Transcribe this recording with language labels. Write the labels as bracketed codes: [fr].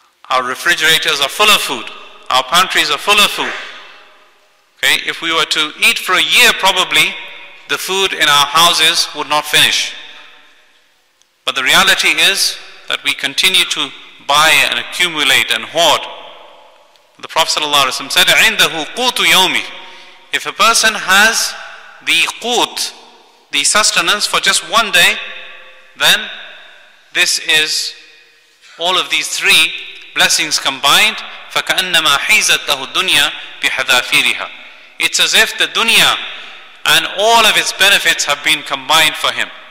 [en] Our refrigerators are full of food. Our pantries are full of food. Okay, if we were to eat for a year, probably the food in our houses would not finish. But the reality is that we continue to buy and accumulate and hoard. The Prophet ﷺ said, [ar] عِنْدَهُ قُوتُ يَوْمِ. [en] If a person has the قُوت, the sustenance for just one day, then this is all of these three blessings combined. [ar] فَكَأَنَّمَا حِيزَتْ لَهُ الدُّنْيَا بِحَذَافِيرِهَا. [en] It's as if the dunya and all of its benefits have been combined for him.